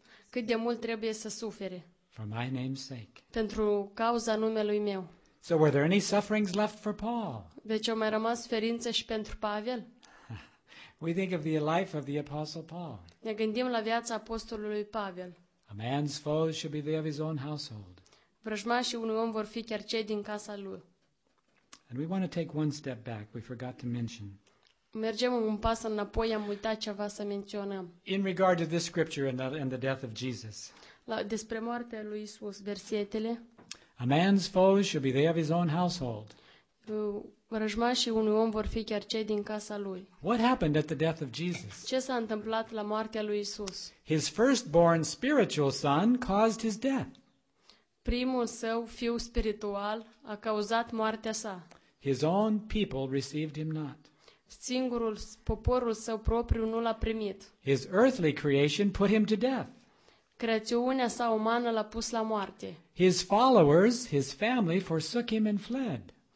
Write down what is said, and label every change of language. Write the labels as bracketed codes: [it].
[ro] cât de mult trebuie să sufere, [en] for my name's sake, [ro] pentru cauza numelui meu. [en] So were there any sufferings left for Paul? [ro] Deci au mai rămas suferințe și pentru Pavel? [en] We think of the life of the apostle Paul. [ro] Ne gândim la viața apostolului Pavel. [en] A man's foes should be they of his own household. [ro] Vrăjmașii unui om vor fi chiar cei din casa lui. [en] And we want to take one step back. We forgot to mention. [ro] Mergem un pas înapoi, am uitat ceva să menționăm. [en] In regard to this scripture and the death of Jesus. [ro] La despre moartea lui Isus, versetele. [en] A man's foes should be they of his own household. [ro] Vrăjmașii unui om vor fi chiar cei din casa lui. [en] What happened at the death of Jesus? [ro] Ce s-a întâmplat la moartea lui Isus? [en] His firstborn spiritual son caused his death. [ro] Primul său fiu spiritual a cauzat moartea sa. [en] His own people received him not. [ro] Singurul poporul său propriu nu l-a primit. [en] His earthly creation put him to death. [ro] Creațiunea sa umană l-a pus la moarte. [en] His followers, his family forsook him and fled.